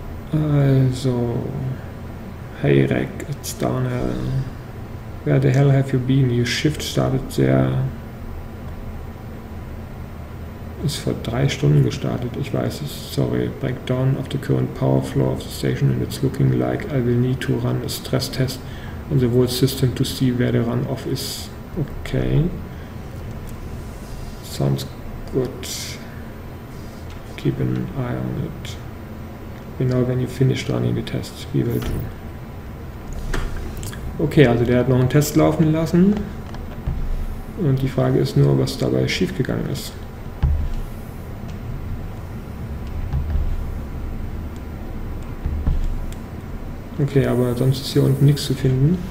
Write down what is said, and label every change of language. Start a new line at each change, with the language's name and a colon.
English: Also, hey Rec, it's Darnell. Where the hell have you been? Your shift started there.
German: Ist vor 3 Stunden gestartet, ich weiß es, sorry.
English: Breakdown of the current power flow of the station and it's looking like I will need to run a stress test on the whole system to see where the runoff is. Okay. Sounds good. Gut. Keep an eye on it. You know when you finish running the test. We will do.
German: Okay, also der hat noch einen Test laufen lassen. Und die Frage ist nur, was dabei schiefgegangen ist. Okay, aber sonst ist hier unten nichts zu finden.